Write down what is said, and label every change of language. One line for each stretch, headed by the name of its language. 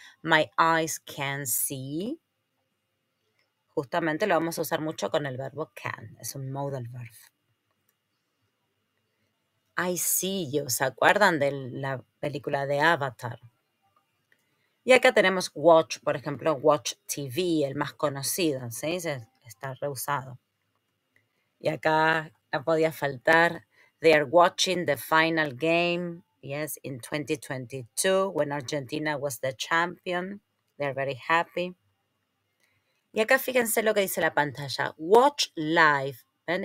English: My eyes can see.
Spanish: Justamente lo vamos a usar mucho con el verbo can, es un modal verb.
English: I see you,
Spanish: ¿se acuerdan de la película de Avatar? Y acá tenemos watch, por ejemplo, watch TV, el más conocido, ¿sí? Está reusado. Y acá no podía faltar,
English: they are watching the final game, yes, in 2022, when Argentina was the champion, they are very happy.
Spanish: Y acá fíjense lo que dice la pantalla, watch live, ¿ven?